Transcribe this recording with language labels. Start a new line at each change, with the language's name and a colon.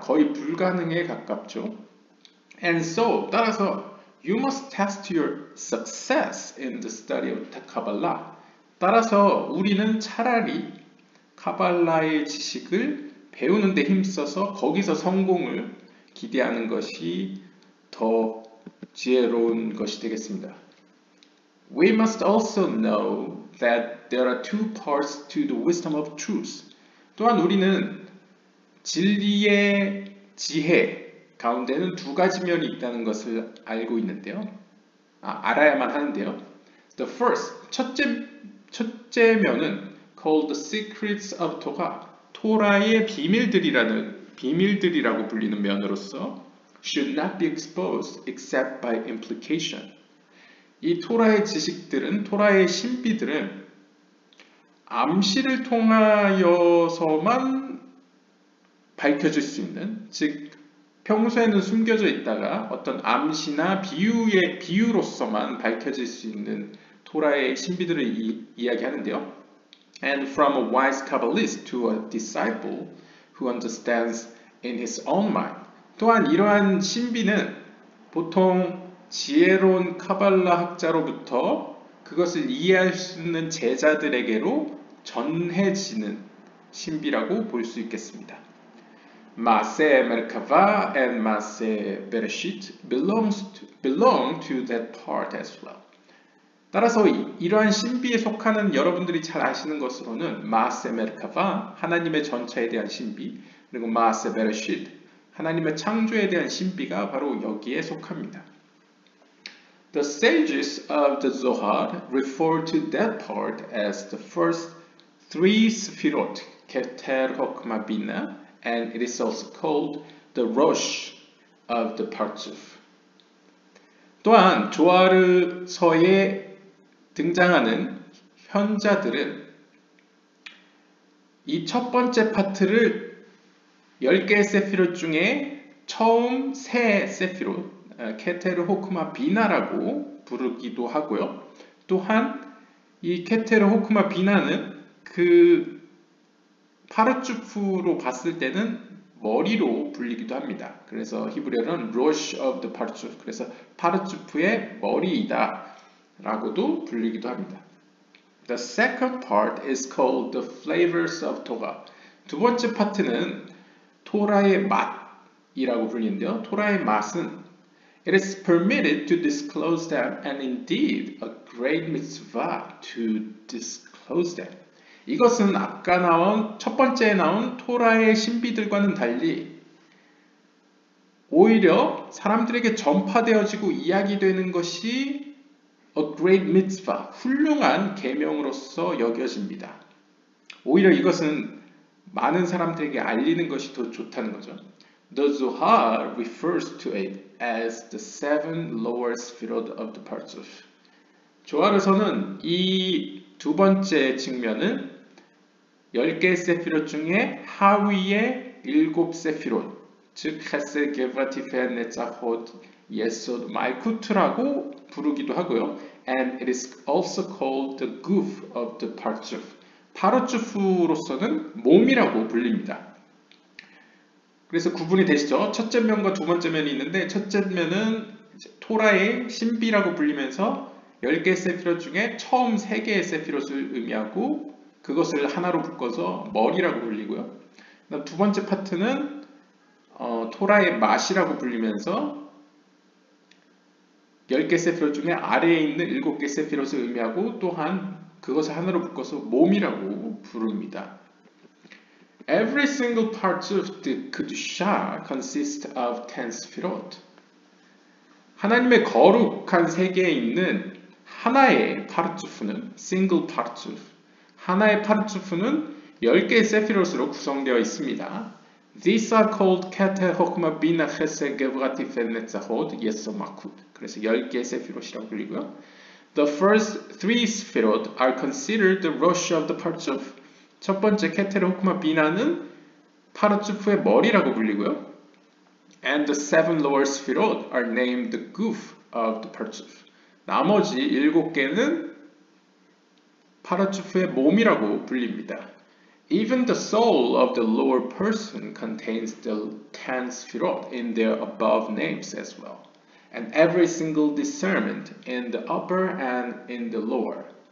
Korean: 거의 불가능에 가깝죠.
English: And so,
Korean: 따라서
English: You must test your success in the study of the Kabbalah.
Korean: 따라서 우리는 차라리 카발라의 지식을 배우는 데 힘써서 거기서 성공을 기대하는 것이 더 지혜로운 것이 되겠습니다.
English: We must also know that there are two parts to the wisdom of truth.
Korean: 또한 우리는 진리의 지혜 가운데는 두 가지 면이 있다는 것을 알고 있는데요. 알아야만 하는데요.
English: The first,
Korean: 첫째 면은
English: called the secrets of Torah,
Korean: 토라의 비밀들이라고 불리는 면으로서
English: should not be exposed except by implication.
Korean: 이 토라의 지식들은, 토라의 신비들은 암시를 통하여서만 밝혀질 수 있는, 즉 평소에는 숨겨져 있다가 어떤 암시나 비유로서만 밝혀질 수 있는 토라의 신비들을 이야기하는데요.
English: And from a wise Kabbalist to a disciple who understands in his own mind.
Korean: 또한 이러한 신비는 보통 지혜로운 카발라 학자로부터 그것을 이해할 수 있는 제자들에게로 전해지는 신비라고 볼 수 있겠습니다.
English: Maaseh Merkava and Maaseh Bereshit belong to that part as well.
Korean: 따라서 이러한 신비에 속하는 여러분들이 잘 아시는 것으로는 Maaseh Merkava, 하나님의 전차에 대한 신비, 그리고 Maaseh Bereshit, 하나님의 창조에 대한 신비가 바로 여기에 속합니다.
English: The sages of the Zohar refer to that part as the first three Sefirot, Keter, Hokma, Bina, and it is also called the Rosh of the Parzuf.
Korean: 또한 조아르서에 등장하는 현자들은 이 첫 번째 파트를 10개의 세피롯 중에 처음 세 세피롯, 케테르 호크마 비나라고 부르기도 하고요. 또한 이 케테르 호크마 비나는 그 파르츠프로 봤을 때는 머리로 불리기도 합니다. 그래서 히브리어는 Rosh of the Parzuf, 그래서 파르츠프의 머리이다 라고도 불리기도 합니다.
English: The second part is called the flavors of Torah.
Korean: 두 번째 파트는 토라의 맛이라고 불리는데요. 토라의 맛은
English: It is permitted to disclose them and indeed a great mitzvah to disclose them.
Korean: 이것은 아까 나온 첫 번째에 나온 토라의 신비들과는 달리 오히려 사람들에게 전파되어지고 이야기되는 것이
English: a great mitzvah,
Korean: 훌륭한 계명으로서 여겨집니다. 오히려 이것은 많은 사람들에게 알리는 것이 더 좋다는 거죠.
English: The Zohar refers to it as the seven lower spheres of the Parzuf.
Korean: 조아르서는 이 두 번째 측면은 10개의 세피롯 중에 하위의 일곱 세피롯, 즉 헤셀, 게브라, 티펜, 네차홋, 예솟, 말쿠트라고 부르기도 하고요.
English: And it is also called the goof of the Parzuf.
Korean: 파르츠프로서는 몸이라고 불립니다. 그래서 구분이 되시죠? 첫째 면과 두 번째 면이 있는데 첫째 면은 토라의 신비라고 불리면서 10개의 세피롯 중에 처음 3개의 세피롯을 의미하고 그것을 하나로 묶어서 머리라고 불리고요. 두 번째 파트는 토라의 맛이라고 불리면서 10개 세피롯 중에 아래에 있는 7개 세피롯을 의미하고 또한 그것을 하나로 묶어서 몸이라고 부릅니다.
English: Every single part of the Kedusha consists of 10 Sefirot.
Korean: 하나님의 거룩한 세계에 있는 하나의 파르츠프는
English: single Parzuf,
Korean: 하나의 파르츠프는 10개의 세피롯으로 구성되어 있습니다.
English: These are called Keter, Hokma, Bina, Chesed, Gevurah, Tiferet, Netzachot, Yesod, Malkut.
Korean: 그래서 10개의 세피롯이라고 불리고요.
English: The first three Sefirot are considered the Rosh of the Parzuf.
Korean: 첫 번째 Keter, Hokma, Bina는 파르츠프의 머리라고 불리고요.
English: And the seven lower Sefirot are named the Guf of the Parzuf.
Korean: 나머지 7개는 파르츠프의 몸이라고 불립니다.
English: Even the soul of the lower person contains the 10 Sefirot in their above names as well. And every single discernment in the upper and in the lower.